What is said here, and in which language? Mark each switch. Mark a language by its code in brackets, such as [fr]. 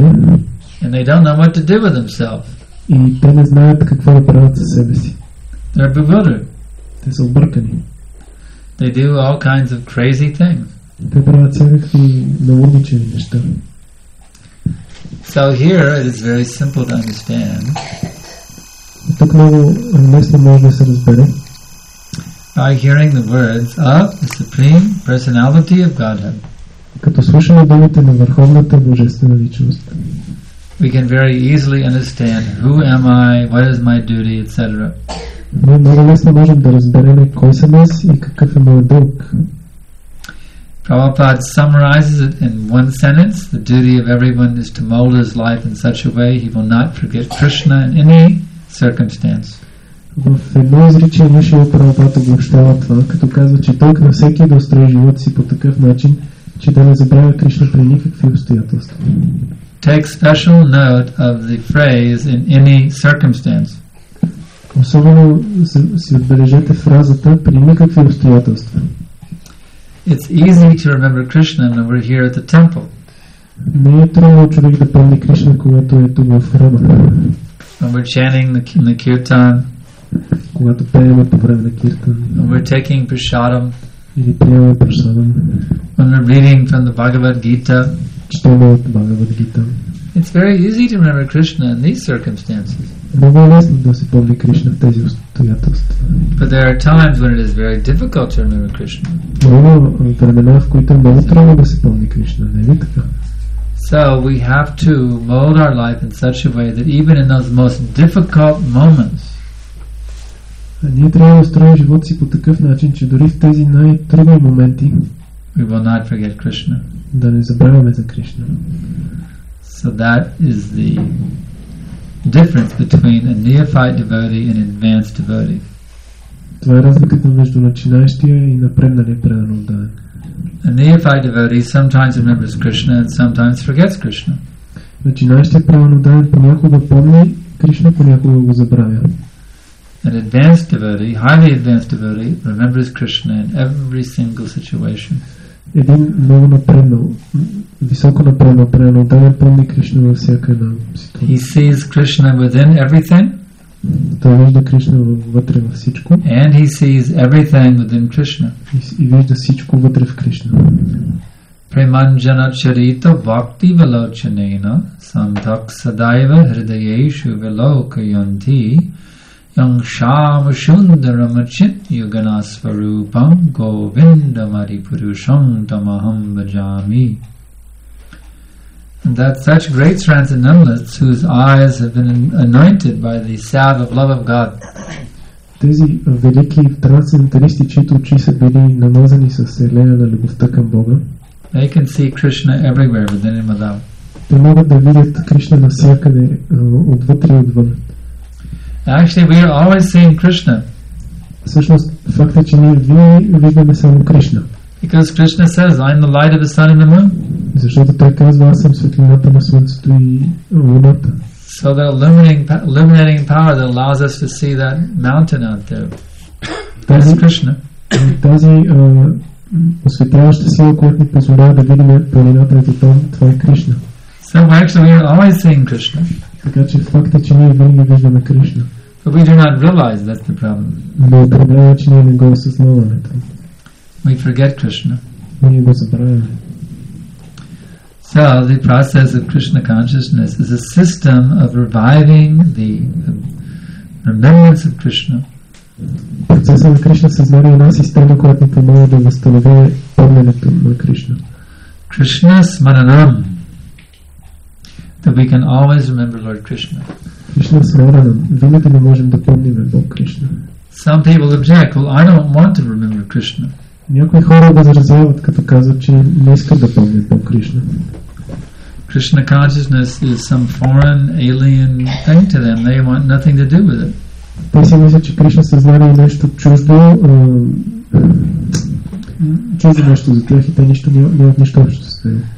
[en] And they don't know what to do with themselves. [bg] И те не знаят какво да правят със себе си. [en] They're bewildered. [bg] Те са объркани. [en] They do all kinds of crazy things. [bg] Те правят всякакви наводничени неща. [en] So here it is very simple to understand. [bg] Тук много лесно може да се разбере. [en] By hearing the words of the Supreme Personality of Godhead. [bg] Като слушаме думите на Върховната Божествена Личност. [en] We can very easily understand who am I, what is my duty, etc. [bg] Много лесно можем да разберем кой съм аз и какъв е моят дълг. [en] Prabhupada summarizes it in one sentence. The duty of everyone is to mold his life in such a way he will not forget Krishna in any circumstance. [bg] В едно изречение нашия Прабхупад обобщава това, като казва, че дълг на всеки да устрои живота си по такъв начин, че да не забравя Кришна при никакви обстоятелства. [en] Take special note of the phrase in any circumstance. [bg] Особено си отбележете фразата при никакви обстоятелства. [en] It's easy to remember Krishna when we're here at the temple. [bg] Не е трудно човек да помни Кришна, когато е тук в храма. [en] When we're chanting the kirtan. [bg] Когато пеем по време на киртан. [en] When we're taking prasadam. [bg] Или приемаме прасадам. [en] When we're reading from the Bhagavad Gita. [bg] Четем от Бхагавад Гита. [en] It's very easy to remember Krishna in these circumstances. [bg] Много лесно да се помни Кришна в тези обстоятелства. [en] But there are times when it is very difficult to remember Krishna. [bg] Много времена, в които е много трудно да се помни Кришна, не ли така? [en] So we have to mold our life in such a way that even in those most difficult moments. [bg] Ние трябва да устроим живота си по такъв начин, че дори в тези най-трудни моменти [en] we will not forget Krishna. [bg] Да не забравяме за Кришна. [en] So that is the difference between a neophyte devotee and an advanced devotee. [bg] Това е разликата между начинаещия и напредналия преданно отдаден. [en] A neophyte devotee sometimes remembers Krishna and sometimes forgets Krishna. [bg] Начинаещия преданно отдаден понякога помни Кришна, понякога го забравя. [en] An advanced devotee, highly advanced devotee, remembers Krishna in every single situation. [bg] Един много напреднал, високо напреднал, преданно отдаден помни Кришна във всяка една ситуация. [en] He sees Krishna within everything. [bg] Той вижда Кришна вътре във всичко. [en] And he sees everything within Krishna. [bg] И вижда всичко вътре в Кришна. [sa] Преманджана чарита вакти велочанена сандак садайва хридаешу велокайонти Yangsham Shundaram Chit Yugana Svarupam Govindamari Purusham Tamaham Bhajami. [en] And that such great transcendentalists whose eyes have been anointed by the salve of love of God. [bg] Тези велики трансценденталисти, чието очи са били намазани със елея на любовта към Бога. [en] They can see Krishna everywhere within and without. [bg] Те могат да видят Кришна навсякъде, отвътре и отвън. [en] Actually, we are always seeing Krishna. [bg] Всъщност, факт е, че ние винаги виждаме само Кришна. [en] Because Krishna says, I am the light of the sun and the moon. [bg] Защото той казва, аз съм светлината на слънцето и луната. [en] So the illuminating power that allows us to see that mountain out there. That is Krishna. [bg] Тази осветляваща сила, която ни позволява да видим планината и там, това е Кришна. [en] So actually we are always seeing Krishna. [bg] Така че факт е, че ние винаги виждаме Кришна. [en] But we do not realize that's the problem. [bg] Но проблема е, че ние не го осъзнаваме. [en] We forget Krishna. [bg] Ние го забравяме. [en] So the process of Krishna consciousness is a system of reviving the remembrance of Krishna. [bg] Процесът на Кришна съзнание е една система, която ни помага да възстанови помненето на Кришна. [sa] Кришна смаранам. [en] That we can always remember Lord Krishna. [sa] Кришна смаранам. [bg] Винаги не можем да помним Бог Кришна. [en] Some people object, well, I don't want to remember Krishna. [bg] Някои хора възразяват, като казват, че не искат да помнят Бог Кришна. [en] Krishna consciousness is some foreign, alien thing to them. They want nothing to do with it. [bg] Те си мислят, че Кришна съзнание е нещо чуждо, чуждо нещо за тях и те нищо не от нищо общо се.